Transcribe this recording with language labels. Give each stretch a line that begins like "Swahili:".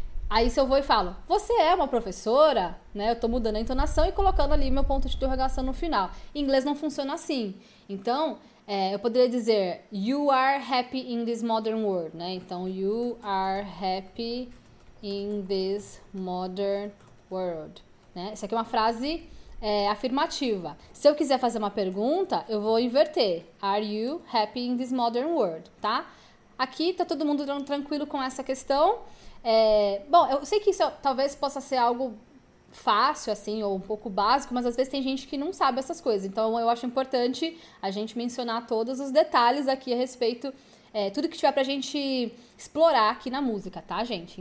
Portuguese: Aí, se eu vou e falo, você é uma professora, né, eu estou mudando a entonação e colocando ali meu ponto de interrogação no final. Em inglês não funciona assim. Então, eu poderia dizer
English: you are happy in this modern world, né? Então, you are happy in this modern world, né?
Portuguese: Isso aqui é uma frase afirmativa. Se eu quiser fazer uma pergunta, eu vou inverter.
English: Are you happy in this modern world, tá?
Portuguese: Aqui tá todo mundo tranquilo com essa questão. Bom, eu sei que isso talvez possa ser algo fácil assim ou um pouco básico, mas às vezes tem gente que não sabe essas coisas. Então eu acho importante a gente mencionar todos os detalhes aqui a respeito, tudo que tiver pra gente explorar aqui na música, tá, gente?